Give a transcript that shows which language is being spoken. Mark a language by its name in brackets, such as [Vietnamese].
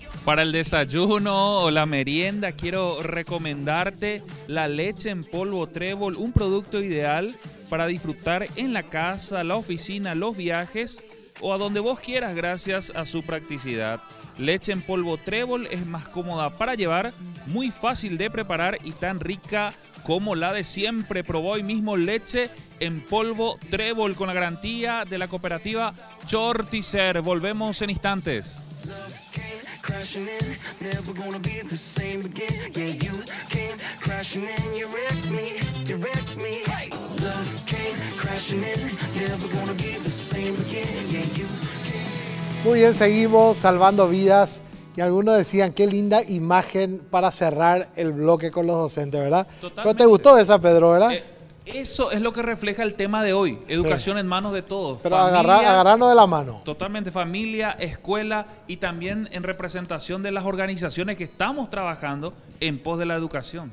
[Spanish] Para el desayuno o la merienda, quiero recomendarte la leche en polvo trébol, un producto ideal para disfrutar en la casa, la oficina, los viajes o a donde vos quieras gracias a su practicidad. Leche en polvo trébol es más cómoda para llevar, muy fácil de preparar y tan rica como la de siempre. Probó hoy mismo leche en polvo trébol con la garantía de la cooperativa Chortiser. Volvemos en instantes. [English] Crashing in, never gonna be the same again. Yeah, you came crashing in, you wrecked me, you wrecked me. Hey. Love came crashing in, never gonna be the same again. Yeah, you. [Spanish] Muy bien, seguimos salvando vidas. Y algunos decían, qué linda imagen para cerrar el bloque con los docentes, ¿verdad? Totalmente. ¿Pero te gustó esa, Pedro, verdad? Eso es lo que refleja el tema de hoy. Educación sí. En manos de todos. Pero familia, agarrarnos de la mano. Totalmente. Familia, escuela y también en representación de las organizaciones que estamos trabajando en pos de la educación.